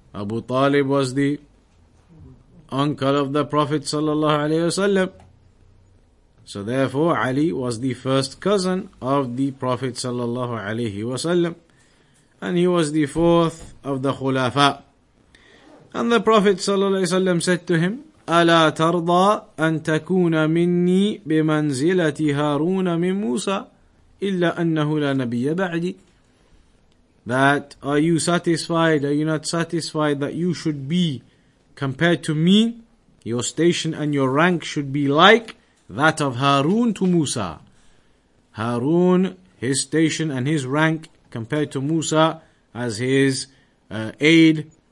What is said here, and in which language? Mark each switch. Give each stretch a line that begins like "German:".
English: Abu Talib was the uncle of the Prophet sallallahu alaihi wasallam. So therefore Ali was the first cousin of the Prophet sallallahu alaihi wasallam, and he was the fourth of the khulafa. And the Prophet sallallahu alaihi wasallam said to him,
Arabic: ألا ترضى أن تكون مني بمنزلة هارون من موسى إلا أنه لا نبي بعدي.
English: That are you satisfied? Are you not satisfied that you should be compared to me? Your station and your rank should be like that of Harun to Musa. Harun, his station and his rank compared to Musa as his aide.